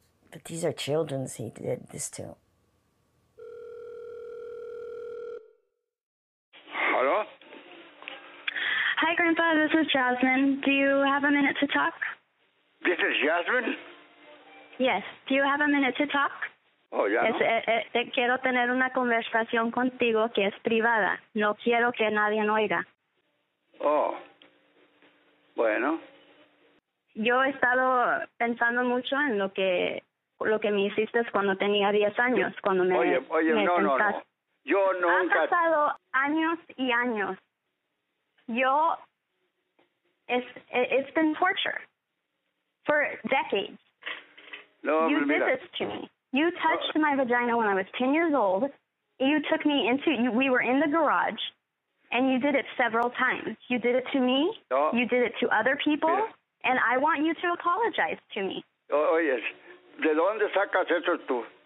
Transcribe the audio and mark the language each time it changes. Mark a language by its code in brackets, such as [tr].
[en] But these are children he did this to. Hello? Hi, Grandpa, this is Jasmine. Do you have a minute to talk? This is Jasmine? Yes, do you have a minute to talk? [es] Oh, ya no. Quiero tener una conversación contigo que es privada. No quiero que nadie oiga. Oh, bueno. Yo he estado pensando mucho en lo que me hiciste cuando tenía 10 años, cuando me sentaste. Oye, me no. Yo nunca... Han pasado años y años. [en] It's been torture for decades. [es] No, [en] you [es] mira. [en] Did this to me. You touched my vagina when I was 10 years old. You took me into... We were in the garage. And you did it several times. You did it to me. No. You did it to other people. [es] Mira. [en] And I want you to apologize to me. [es] Oye, ¿de dónde sacas eso tú?